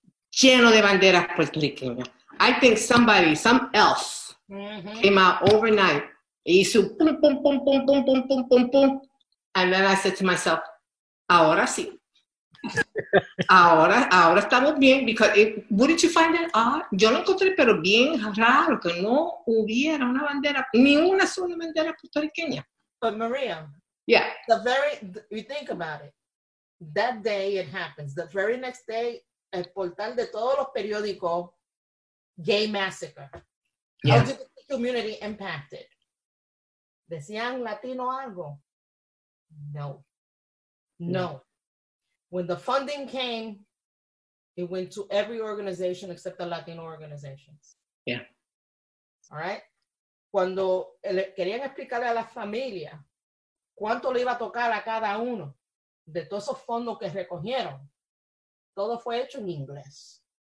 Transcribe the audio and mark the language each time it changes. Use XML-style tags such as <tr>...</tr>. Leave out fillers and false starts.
<es>Lleno de banderas puertorriqueñas.</es> <en>I think somebody, some elf, came out overnight,</en> <es>y hizo pum, pum, pum, pum, pum, pum, pum, pum, pum.</es> <en>And then I said to myself,</en> <es>ahora sí. ahora estamos bien,</es> <en>because it, wouldn't you find that odd?</en> <es>Yo lo encontré, pero bien raro que no hubiera una bandera, ni una sola bandera puertorriqueña.</es> <en>But Maria, yeah, the very, you think about it, that day it happens, the very next day,</en> <es>el portal de todos los periódicos,</es> <en>gay massacre. Yeah. LGBT community impacted.</en> <es>¿Decían Latino algo? No. No.</es> <en>When the funding came, it went to every organization except the Latino organizations. Yeah. All right?</en> <es>Cuando le querían explicarle a la familia cuánto le iba a tocar a cada uno de todos esos fondos que recogieron, todo fue hecho en inglés.</es>